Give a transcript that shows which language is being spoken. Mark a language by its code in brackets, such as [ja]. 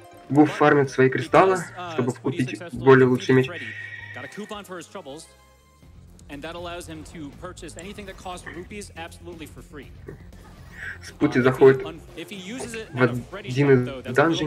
[ru] Гуф фармит свои кристаллы, чтобы купить более лучший меч. [en] Got a coupon for his troubles. And that allows him to purchase anything that costs rupees absolutely for free. [ru] Спути заходит в один из данжей.